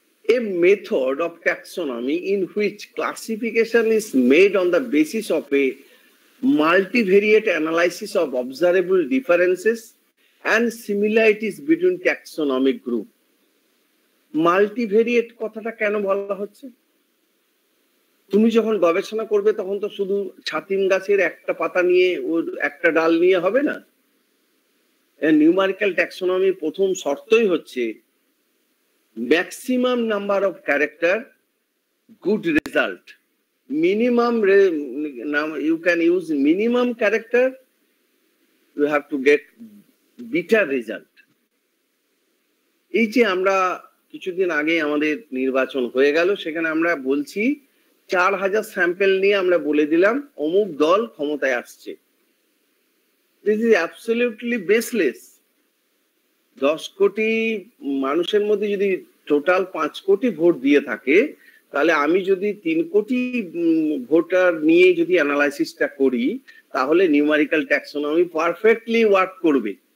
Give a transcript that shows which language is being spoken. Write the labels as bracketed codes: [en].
[en] A method of taxonomy in which classification is made on the basis of a multivariate analysis of observable differences and similarities between taxonomic group. [bn] Multivariate কথাটা কেন বলা হচ্ছে? তুমি যখন গবেষণা করবে তখন তো শুধু ছাতিম গাছের একটা পাতা নিয়ে ওর একটা ডাল নিয়ে হবে না। [en] Numerical taxonomy [bn] প্রথম শর্তই হচ্ছে [en] maximum number of character, good result. Minimum, you can use minimum character, you have to get better result. [bn] এই যে আমরা কিছুদিন আগে আমাদের নির্বাচন হয়ে গেল, সেখানে আমরা বলছি 4000 স্যাম্পল নিয়ে আমরা বলে দিলাম অমুক দল ক্ষমতায় আসছে। [en] This is absolutely baseless. [bn] 10 কোটি মানুষের মধ্যে যদি টোটাল 5 কোটি ভোট দিয়ে থাকে, তাহলে আমি যদি 3 কোটি ভোটার নিয়ে যদি অ্যানালাইসিসটা করি তাহলে নিউমেরিক্যাল ট্যাক্সোনমি পারফেক্টলি ওয়ার্ক করবে।